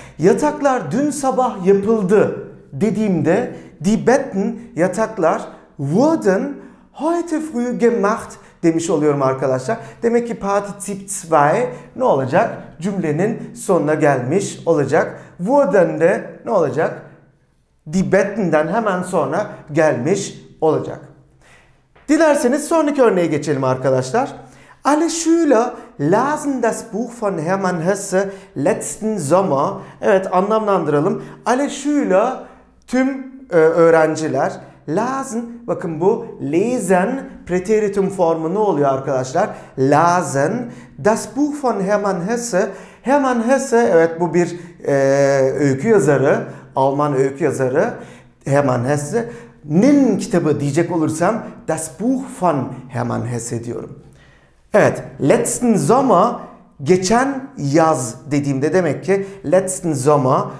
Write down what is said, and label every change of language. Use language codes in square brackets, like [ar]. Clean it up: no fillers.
[tr] Yataklar dün sabah yapıldı dediğimde [de] die Betten, [tr] yataklar, [de] wurden heute früh gemacht [tr] demiş oluyorum arkadaşlar. Demek ki Partizip 2 ne olacak? Cümlenin sonuna gelmiş olacak. Wurden de ne olacak? Die Betten'den hemen sonra gelmiş olacak. Dilerseniz sonraki örneğe geçelim arkadaşlar. [de] Alle Schüler lasen das Buch von Hermann Hesse letzten Sommer. [tr] Evet, anlamlandıralım. [de] Alle Schüler, [tr] tüm öğrenciler, lasen, bakın bu lesen preteritum formu ne oluyor arkadaşlar? [de] Lasen das Buch von Hermann Hesse. [tr] Hermann Hesse, evet bu bir öykü yazarı, Alman öykü yazarı Hermann Hesse. Nin kitabı diyecek olursam [de] das Buch von Hermann Hesse [tr] diyorum. Evet, [de] letzten Sommer, [tr] geçen yaz dediğimde demek ki letzten Sommer.